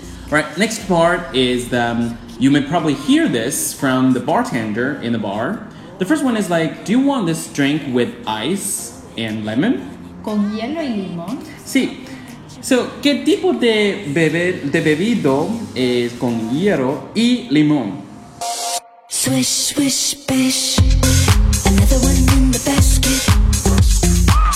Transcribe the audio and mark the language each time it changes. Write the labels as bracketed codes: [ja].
[en] Right, next part is you may probably hear this from the bartender in the bar. The first one is like, do you want this drink with ice and lemon? [es] Con hielo y limón. Sí. So, ¿qué tipo de bebido es con hielo y limón? [en] Swish, swish, bish. Another one in the basket.